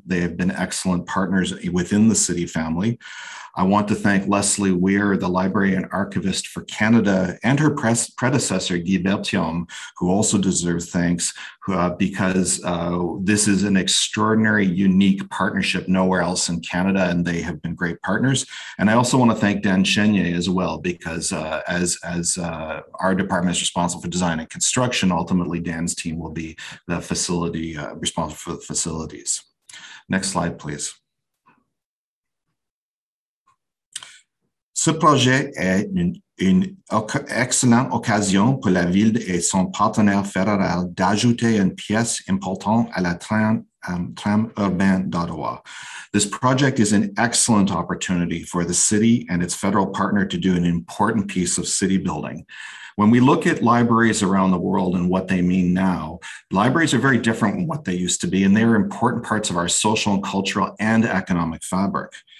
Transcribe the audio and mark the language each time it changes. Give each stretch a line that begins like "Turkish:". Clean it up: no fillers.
English: They have been excellent partners within the city family. I want to thank Leslie Weir, the Library and Archivist for Canada, and her predecessor, Guy Bertium, who also deserves thanks because this is an extraordinary, unique partnership nowhere else in Canada, and they have been great partners. And I also want to thank Dan Chenier as well, because as our department is responsible for design and construction, ultimately Dan's team will be the facility, responsible for the facilities. Next slide, please.
French: Ce projet est une excellente occasion pour la ville et son partenaire fédéral d'ajouter une pièce importante à la tram urbain d'Ottawa.
English: This project is an excellent opportunity for the city and its federal partner to do an important piece of city building. When we look at libraries around the world and what they mean now, libraries are very different from what they used to be, and they are important parts of our social and cultural and economic fabric.